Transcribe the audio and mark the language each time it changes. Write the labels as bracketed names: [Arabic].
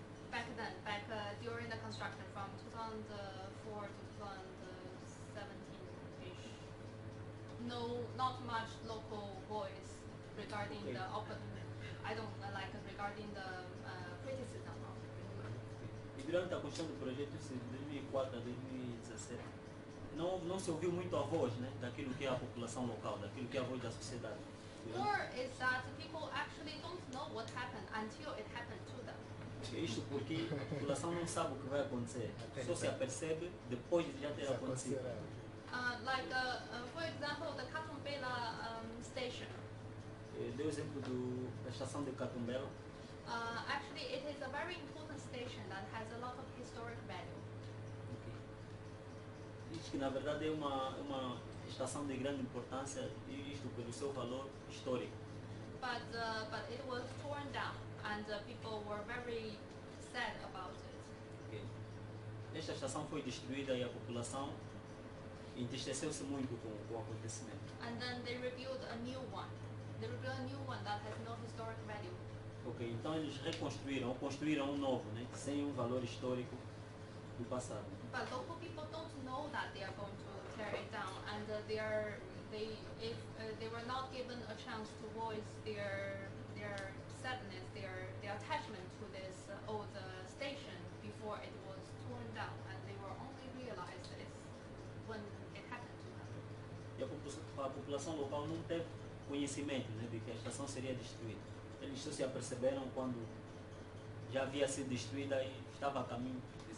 [English] Back then, back during the construction from 2004 to 2017-ish, no, not much local voice regarding okay. the open, I don't like regarding the criticism of it. [Portuguese] E durante a construção do projeto, de 2004 a 2017, não se ouviu muito a voz, né, daquilo que é a população local, daquilo que é a voz da sociedade. [English] More is that people actually don't know what happened until it happened to them. [Portuguese] Isso porque a população não sabe o que vai acontecer, só se apercebe depois de já ter acontecido. [English] Like, for example, the Katumbela station. [Portuguese] Deu exemplo da estação de Katumbela. [English] Actually, it is a very important station that has a lot of historic value. Okay. [Portuguese] Diz que, na verdade, é uma estação de grande importância, e isto pelo seu valor histórico. [English] But it was torn down. And people were very sad about it. Okay. [Portuguese] Esta estação foi destruída e a população entristeceu-se muito com o acontecimento. [English] And then they rebuilt a new one. They rebuilt a new one that has no historic value. [Portuguese] Okay, então eles reconstruíram, ou construíram um novo, né, sem um valor histórico do passado. [English] But local people don't know that they are going to tear it down, and they were not given a chance to voice their sadness, their attachment to this old station before it was torn down, and they were only realized this when it happened to them. [Portuguese] E a população local não teve conhecimento, né, de que a estação seria destruída. Eles só se aperceberam quando já havia sido destruída e estava a caminho de